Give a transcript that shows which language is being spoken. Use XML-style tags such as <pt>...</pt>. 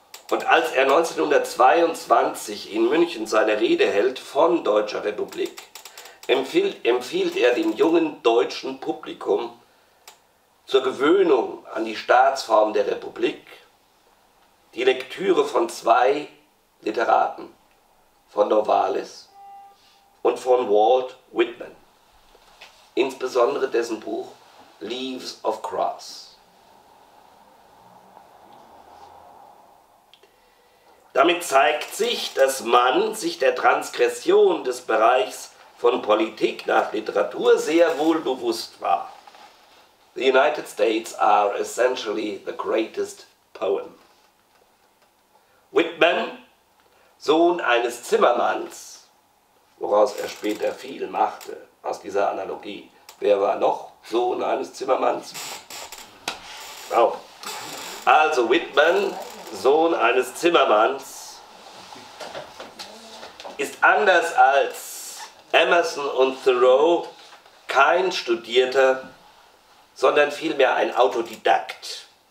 <de>Und als er 1922 in München seine Rede hält von deutscher Republik, empfiehlt er dem jungen deutschen Publikum zur Gewöhnung an die Staatsform der Republik die Lektüre von zwei Literaten, von Novalis und von Walt Whitman, insbesondere dessen Buch Leaves of Grass. Damit zeigt sich, dass Mann sich der Transgression des Bereichs von Politik nach Literatur sehr wohl bewusst war.</de> <en>The United States are essentially the greatest poem.</en> <de>Whitman, Sohn eines Zimmermanns, woraus er später viel machte, aus dieser Analogie. Wer war noch Sohn eines Zimmermanns? Oh. Also Whitman, Sohn eines Zimmermanns, ist anders als Emerson und Thoreau kein Studierter, sondern vielmehr ein Autodidakt.</de>